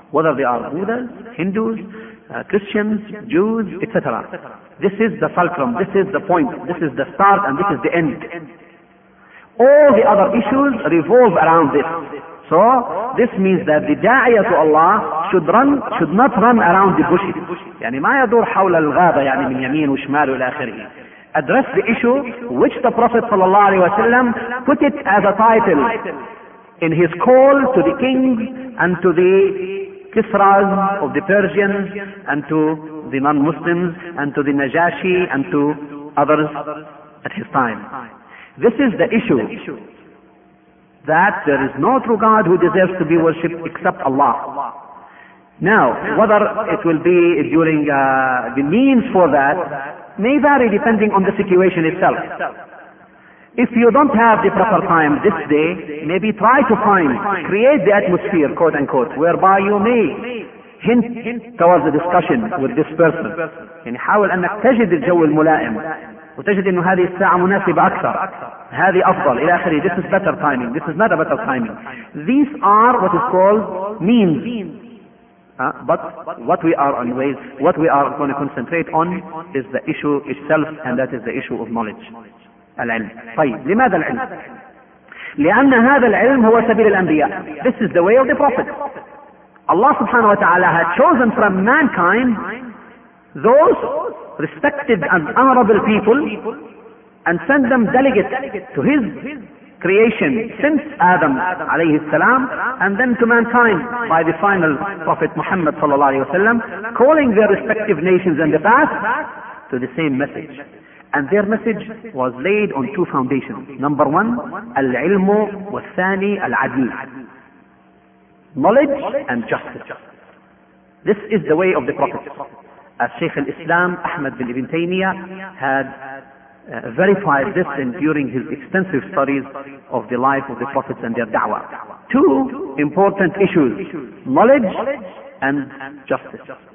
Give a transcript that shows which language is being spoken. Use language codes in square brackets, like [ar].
[en] Whether they are Buddhas, Hindus, Christians, Jews, etc. This is the fulcrum, this is the point, this is the start, and this is the end. All the other issues revolve around this. So this means that the da'iyah to Allah should run, should not run around the bushes. [ar] يعني ما يدور حول الغابة يعني من يمين وشمال إلى آخره. [en] Address the issue which the Prophet [ar] صلى الله عليه وسلم [en] put it as a title in his call to the kings and to the Kisras of the Persians and to the non-Muslims and to the Najashi and to others at his time. This is the issue that there is no true God who deserves to be worshipped except Allah. Now, whether it will be during the means for that may vary depending on the situation itself. If you don't have the proper time this day, maybe try to find, create the atmosphere, quote unquote, whereby you may hint towards the discussion with this person. [ar] يعني حاول أنك تجد الجو الملائم وتجد أن هذه الساعة مناسبة أكثر, هذه أفضل إلى آخره. [en] This is better timing, this is not a better timing. These are what is called means. But what we are always, what we are going to concentrate on is the issue itself, and that is the issue of knowledge. [ar] العلم. طيب لماذا العلم؟ لأن هذا العلم هو سبيل الأنبياء. [en] This is the way of the prophets. Allah subhanahu wa ta'ala had chosen from mankind those respected and honorable people and sent them delegates to his creation since Adam [ar] عليه السلام [en] and then to mankind by the final prophet Muhammad [ar] صلى الله عليه وسلم, [en] calling their respective nations and the past to the same message. And their message was laid on two foundations. Number one, [ar] العلم, والثاني العدل. [en] Knowledge and justice. This is the way of the Prophet. As Shaykh al-Islam Ahmad bin Ibn Taymiyyah had verified this in during his extensive studies of the life of the Prophets and their da'wah. Two important issues, knowledge and justice.